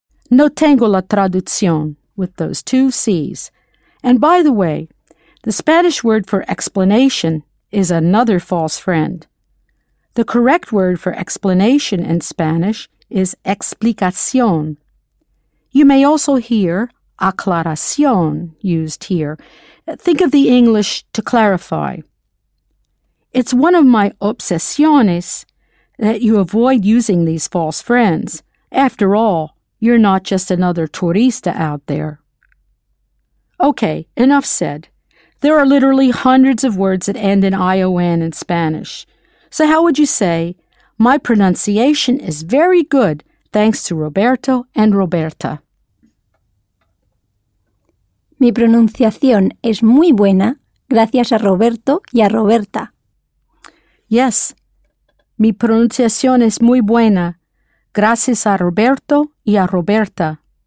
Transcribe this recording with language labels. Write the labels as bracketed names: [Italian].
[Spanish] No tengo la traducción, [English] with those two C's. And by the way, the Spanish word for explanation is another false friend. The correct word for explanation in Spanish is explicación. You may also hear aclaración used here. Think of the English to clarify. It's one of my obsesiones that you avoid using these false friends. After all, you're not just another turista out there. Okay, enough said. There are literally hundreds of words that end in ION in Spanish. So how would you say, My pronunciation is very good, thanks to Roberto and Roberta. [Spanish] Mi pronunciación es muy buena, gracias a Roberto y a Roberta. Yes, mi pronunciación es muy buena, gracias a Roberto y a Roberta.